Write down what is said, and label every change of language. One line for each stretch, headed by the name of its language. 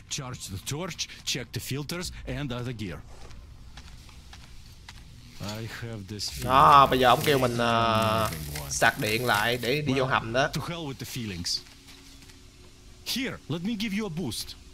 English: Charge the torch, check the filters and other gear. I have this
Vietnamese: feeling. Đó, bây giờ ông kêu mình sạc điện lại để đi vô hầm đó.
English: To hell with the feelings. Here, let me give you a boost.